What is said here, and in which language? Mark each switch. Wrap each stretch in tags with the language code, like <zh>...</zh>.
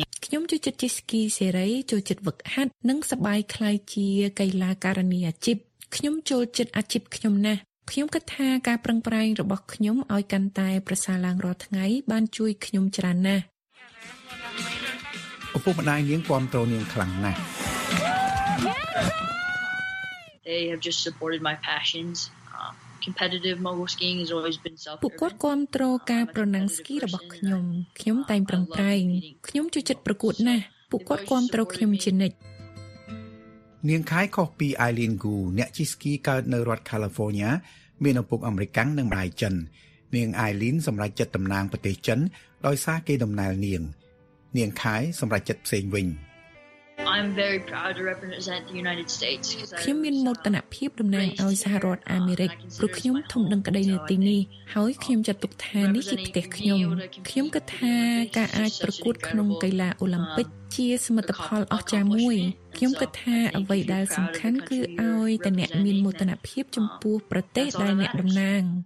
<km>ខ្ញុំចូលចិត្តជិះស្គីសេរីចូលចិត្តវឹកហាត់និងសប្បាយខ្លាយជាកីឡាករនីអាជីពខ្ញុំចូលចិត្តអាជីពខ្ញុំណាស់ខ្ញុំគិតថាការប្រឹងប្រែងរបស់ខ្ញុំឲ្យកាន់តែប្រសើរឡើងរាល់ថ្ងៃបានជួយខ្ញុំច្រើនណាស់ឪពុកម្ដាយនាងគាំទ្រនាងខ្លាំងណាស់</km> <en>They have just supported my passions competitive mogul skiing has always been self-care</en> <km>ពួកគាត់គាំទ្រការប្រណាំងស្គីរបស់ខ្ញុំខ្ញុំតែងប្រឹងប្រែងខ្ញុំចូលចិត្តប្រកួតណាស់ពួកគាត់គាំទ្រខ្ញុំជានិច្ច នាងខៃខុសពីអៃលីនគូអ្នកជិះស្គីកើតនៅរដ្ឋ California មានឪពុកអាមេរិកាំងនិងម្ដាយចិននាងអៃលីនសម្រេចចិត្តតំណាងប្រទេសចិនដោយសារគេដំណើរនាងនាងខៃសម្រេចចិត្តផ្សេងវិញ</km> <en>I'm very proud to represent the United States because</en> <km>ខ្ញុំមានមោទនភាពតំណាងឲ្យសហរដ្ឋអាមេរិកព្រោះខ្ញុំធំដឹងក្តីនៅទីនេះហើយខ្ញុំចាត់ទុកថានេះជាផ្ទះខ្ញុំខ្ញុំគិតថាការអាចប្រកួតក្នុងកីឡាអូឡាំពិកជាសមិទ្ធផលអស្ចារ្យមួយខ្ញុំគិតថាអ្វីដែលសំខាន់គឺឲ្យតអ្នកមានមោទនភាពចំពោះប្រទេសដែលអ្នកតំណាង</km>